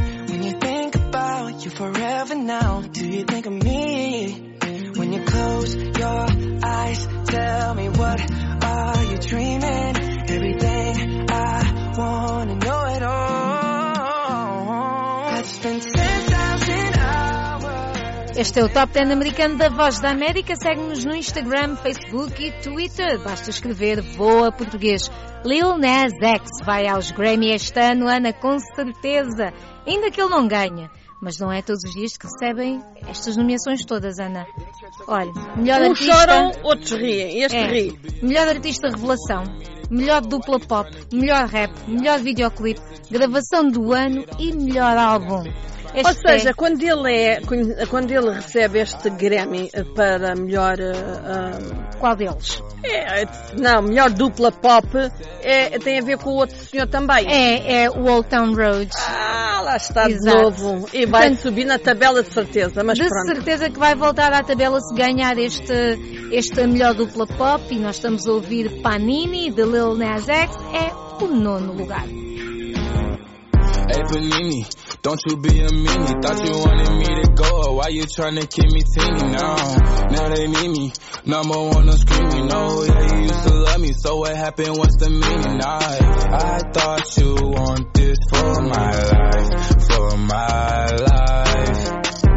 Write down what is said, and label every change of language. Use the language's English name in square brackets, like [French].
[English] When you think about you forever now, do you think of me? When you close your eyes, tell me, what are you dreaming? Everything I wanna know it all. I'd spend 10,000 hours. [Portuguese] Este é o Top 10 americano da Voz da América. Segue-nos no Instagram, Facebook e Twitter. Basta escrever Voa Português. Lil Nas X vai aos Grammy este ano, Ana, com certeza. Ainda que ele não ganhe. Mas não é todos os dias que recebem estas nomeações todas, Ana. Olha, melhor artista... Uns choram, outros riem. Este ri. Melhor artista revelação. Melhor dupla pop. Melhor rap. Melhor videoclipe. Gravação do ano e melhor álbum. Este ou seja, é... quando ele recebe este Grammy para melhor... Qual deles? Não, melhor dupla pop tem a ver com o outro senhor também. É o Old Town Road. Ah, lá está. Exato. De novo. E vai, portanto, subir na tabela de certeza, mas de pronto. Certeza que vai voltar à tabela se ganhar este melhor dupla pop. E nós estamos a ouvir Panini, de Lil Nas X, é o nono lugar. [English] Hey, Panini, don't you be a meanie. Thought you wanted me to go, or why you tryna keep me teeny? Now they need me, number one on screaming. Oh yeah, you used to love me, so what happened, what's the meaning? I thought you want this for my life, for my life.